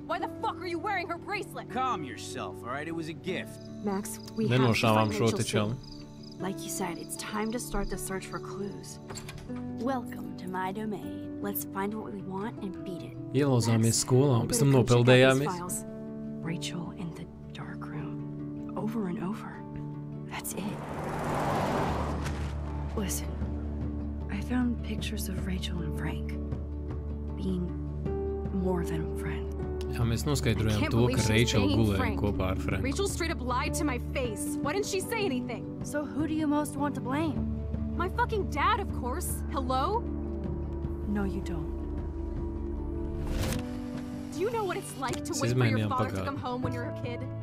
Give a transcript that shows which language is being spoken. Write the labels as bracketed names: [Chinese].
[English] Why the fuck are you wearing her bracelet? Calm yourself, all right? It was a gift. Max, we have to find Rachel. Like you said, it's time to start the search for clues. Welcome to my domain. Let's find what we want and beat it. [Latvian] Ielauzāmies skolā un pēc tam nopeldējāmies. [English] Rachel in the dark room. Over and over. That's it. Listen. I found pictures of Rachel and Frank. Being more than friends. [Latvian] Jā, mēs noskaidrojām to, ka Rachel gulēja kopā ar Franku. [English] Rachel straight up lied to my face. Why didn't she say anything? So who do you most want to blame? My fucking dad, of course. Hello? No, you don't. Do you know what it's like to wait for your father to come home when you're a kid?